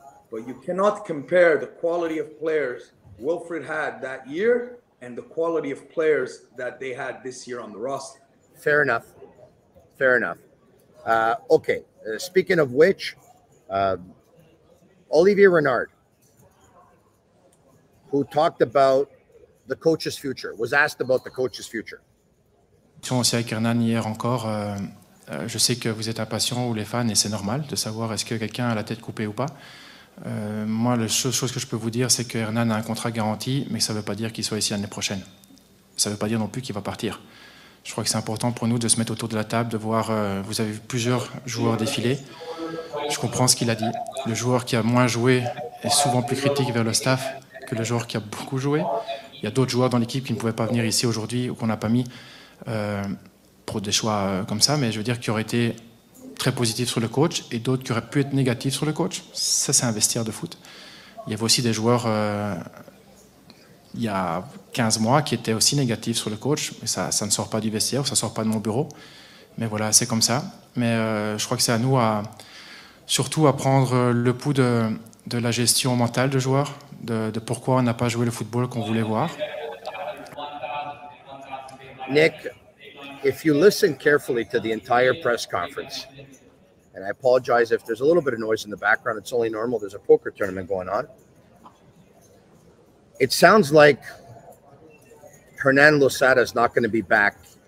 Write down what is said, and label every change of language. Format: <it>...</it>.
<en>But you cannot compare the quality of players Wilfred had that year and the quality of players that they had this year on the roster. Fair enough. Fair enough. Okay. Speaking of which, Olivier Renard, who talked about the coach's future, was asked about the coach's future.</en> <fr>Aussi avec Hernan hier encore, je sais que vous êtes impatient, ou les fans, et c'est normal de savoir est-ce que quelqu'un a la tête coupée ou pas. Moi, la seule chose que je peux vous dire, c'est que Hernan a un contrat garanti, mais ça ne veut pas dire qu'il soit ici l'année prochaine. Ça ne veut pas dire non plus qu'il va partir. Je crois que c'est important pour nous de se mettre autour de la table, de voir, vous avez vu plusieurs joueurs défiler. Je comprends ce qu'il a dit. Le joueur qui a moins joué est souvent plus critique vers le staff que le joueur qui a beaucoup joué. Il y a d'autres joueurs dans l'équipe qui ne pouvaient pas venir ici aujourd'hui ou qu'on n'a pas mis pour des choix comme ça, mais je veux dire qu'il aurait été très positif sur le coach et d'autres qui auraient pu être négatifs sur le coach. Ça, c'est investir de foot. Il y avait aussi des joueurs il y a 15 mois qui étaient aussi négatifs sur le coach, mais ça ne sort pas du vestiaire, ça ne sort pas de mon bureau. Mais voilà, c'est comme ça. Mais je crois que c'est à nous surtout à prendre le pouls de la gestion mentale de joueurs, de pourquoi on n'a pas joué le football qu'on voulait voir.</fr> <en>Nick, if you listen carefully to the entire press conference, and I apologize if there's a little bit of noise in the background, it's only normal, there's a poker tournament going on. It sounds like Hernan Losada is not going to be back.</en>